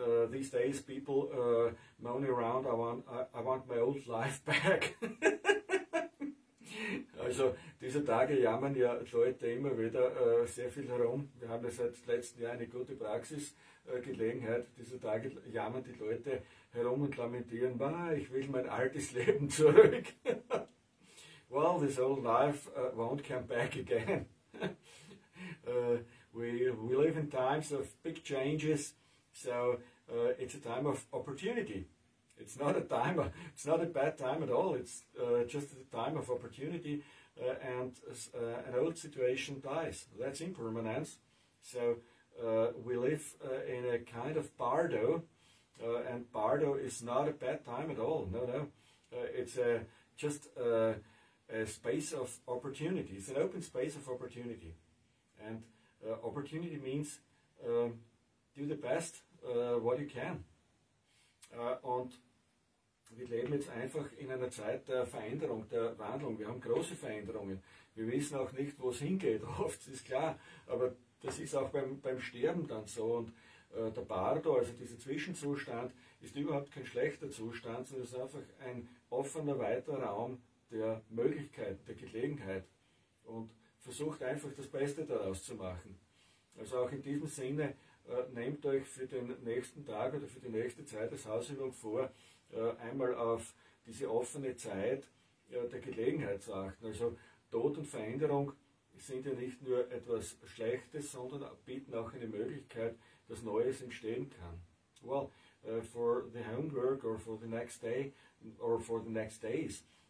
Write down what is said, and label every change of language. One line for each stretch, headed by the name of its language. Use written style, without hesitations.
English: These days people moan around, I want my old life back.
German: Also diese Tage jammern ja Leute immer wieder sehr viel herum. Wir haben ja seit letztem Jahr eine gute Praxisgelegenheit. Diese Tage jammern die Leute herum und lamentieren, ich will mein altes Leben zurück.
English: Well, this old life won't come back again. We live in times of big changes, so it's a time of opportunity. It's not a time. It's not a bad time at all. It's just a time of opportunity, and an old situation dies. That's impermanence. So we live in a kind of bardo, and bardo is not a bad time at all. No. It's a space of opportunity. It's an open space of opportunity, and opportunity means do the best what you can.
German: Und wir leben jetzt einfach in einer Zeit der Veränderung, der Wandlung. Wir haben große Veränderungen. Wir wissen auch nicht, wo es hingeht, oft, ist klar. Aber das ist auch beim Sterben dann so. Und der Bardo, also dieser Zwischenzustand, ist überhaupt kein schlechter Zustand, sondern ist einfach ein offener, weiter Raum der Möglichkeit, der Gelegenheit. Und versucht einfach das Beste daraus zu machen. Also auch in diesem Sinne, nehmt euch für den nächsten Tag oder für die nächste Zeit als Hausübung vor, einmal auf diese offene Zeit der Gelegenheit zu achten. Also Tod und Veränderung sind ja nicht nur etwas Schlechtes, sondern bieten auch eine Möglichkeit, dass Neues entstehen kann.
English: Well, for the homework or for the next day or for the next days.